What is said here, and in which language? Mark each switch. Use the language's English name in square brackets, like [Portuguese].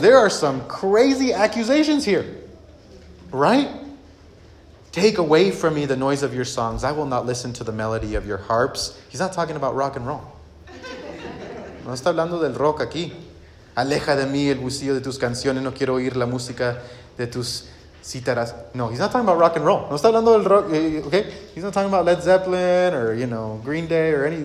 [English] There are some crazy accusations here. Right? Take away from me the noise of your songs. I will not listen to the melody of your harps. He's not talking about rock and roll. [Spanish] No está hablando del rock aquí. Aleja de mí el bullicio de tus canciones. No quiero oír la música de tus cítaras. [English] No, he's not talking about rock and roll. [Spanish] No está hablando del rock, okay? [English] He's not talking about Led Zeppelin or, you know, Green Day or any.